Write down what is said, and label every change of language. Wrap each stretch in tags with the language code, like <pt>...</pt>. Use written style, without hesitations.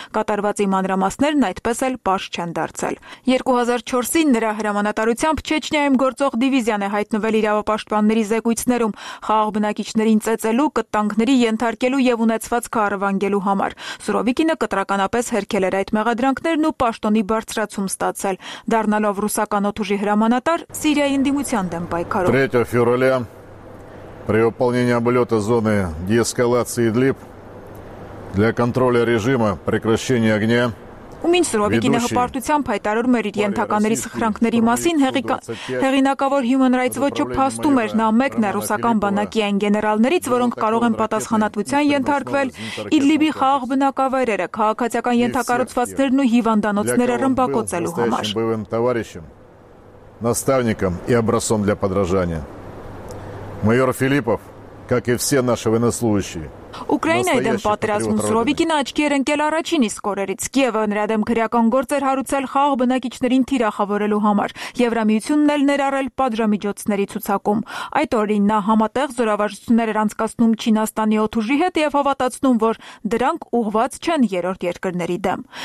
<hy>Կատարված իմ անդրամասներն այդպես էլ պարզ չեն դարձել։ 2004-ին նրա հրամանատարությամբ Չեչնիայում գործող դիվիզիան է հայտնվել իրավապաշտպանների զեկույցներում, խաղաղ բնակիչներին ծեծելու, կտանքների ենթարկելու և ունեցված քարավանգելու համար։ Սուրովիկինը կտրականապես հերքել էր այդ մեղադրանքներն ու պաշտոնի բարձրացում ստացել, դառնալով ռուսական օդուժի հրամանատար Սիրիայի ընդդիմության դեմ պայքարում։</hy> <ru>3 ֆեվրուարին при выполнении облёта зоны деэскалации Идлиб для контроля режима прекращения огня</ru> <hy>Ումին Սուրովիկինը հպարտությամբ հայտարարում էր իր ենթականների սխրանքների մասին, հեղինակավոր Human Rights Watch-ը փաստում էր, նա մեկն է ռուսական բանակի այն գեներալներից, որոնք կարող են պատասխանատվության ենթարկվել Իդլիբի խաղաղ բնակավայրերը, քաղաքացիական ենթակառուցվածքներն ու հիվանդանոցները ռմբակոծելու համար։</hy> <ru>Товарищем, наставником и образцом для подражания. Майор Филиппов, как и все наши военнослужащие,</ru> <hy>Ուկրաինայի դեմ պատերազմում Սուրովիկինը աչքի էր ընկել առաջին իսկ օրերից, Կիևը նրա դեմ քրեական գործեր հարուցել խաղաղ բնակիչներին թիրախավորելու համար, Եվրամիությունն էլ ներառել պատժամիջոցների ցուցակում։ Այդ օրին նա համատեղ զորավարժություններ էր անցկացնում Չինաստանի օդուժի հետ և հավատացնում, որ դրանք ուղված չեն երրորդ երկրների դեմ։</hy>